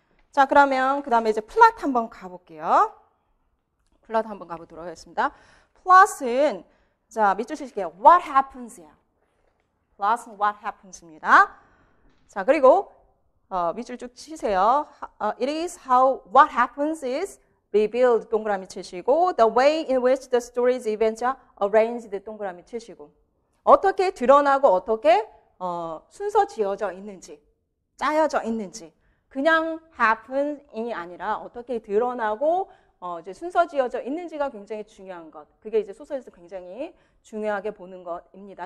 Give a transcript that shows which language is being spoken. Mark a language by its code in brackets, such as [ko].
[ko] 자, 그러면 그 다음에 이제 플롯 한번 가볼게요. 플롯 한번 가보도록 하겠습니다. 플롯은, 자, 밑줄 치실게요. What happens야. 플롯은 what happens입니다. 자, 그리고 밑줄 쭉 치세요. [en] It is how what happens is revealed. [ko] 동그라미 치시고, [en] the way in which the story's events are arranged. [ko] 동그라미 치시고, 어떻게 드러나고 어떻게 순서 지어져 있는지. 짜여져 있는지 그냥 happen이 아니라 어떻게 드러나고 이제 순서 지어져 있는지가 굉장히 중요한 것. 그게 이제 소설에서 굉장히 중요하게 보는 것입니다.